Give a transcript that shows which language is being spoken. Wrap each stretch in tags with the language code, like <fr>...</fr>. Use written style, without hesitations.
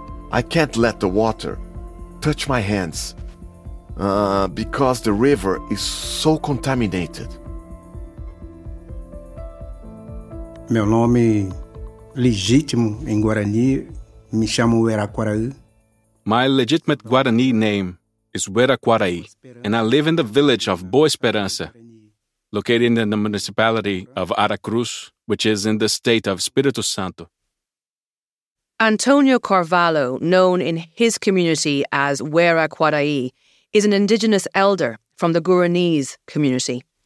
<en>I can't let the water touch my hands because the river is so contaminated.</en> <pt>Meu nome legítimo em Guarani me chamo Uerakwaraí.</pt> <en>My legitimate Guarani name is Uerakwaraí, and I live in the village of Boa Esperança, located in the municipality of Aracruz, which is in the state of Espírito Santo. Antonio Carvalho, known in his community as Uerakwaraí, is an indigenous elder from the Guaranese community.</en>